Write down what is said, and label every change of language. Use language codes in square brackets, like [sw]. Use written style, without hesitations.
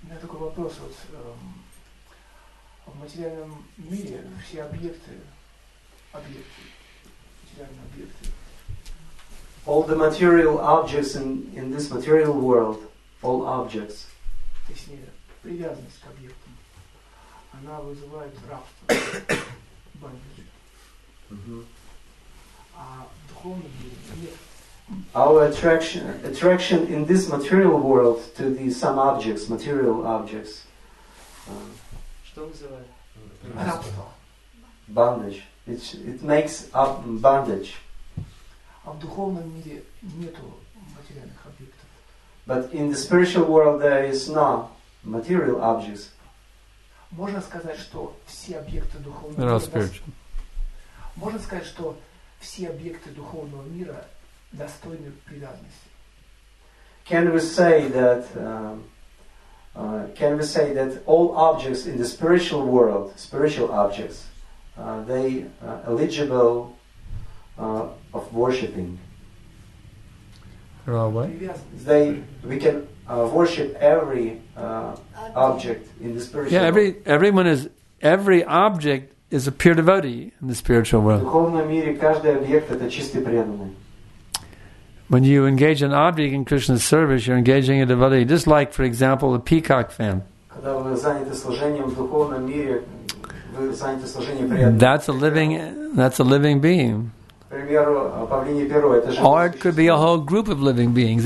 [ru] Вопрос вот в материальном мире все объекты материальные объекты. [en] All the material objects in this material world, all objects. [ru] Точнее, привязанность к объектам, она вызывает рабство, бандиты. А в духовном мире нет. [en] Our attraction in this material world to these some objects, material objects. [ru] Что вызывает? Рабство. [en] Bondage. It makes up bondage. [ru] А в духовном мире нету материальных объектов. [en] But in the spiritual world there is no material objects. [ru] Можно сказать, что все объекты духовного мира. [en] Spiritual. [ru] Можно сказать, что все объекты духовного мира достойны привязанности. [en] Can we say that all objects in the spiritual world, spiritual objects, they are eligible of worshipping? We can worship every object in the spiritual. Yeah, every object is a pure devotee in the spiritual world. [ru] В духовном мире каждый объект это чистый преданный. [en] When you engage an object in Krishna's service, you're engaging a devotee. Just like, for example, a peacock fan. That's a living being. Or it could be a whole group of living beings.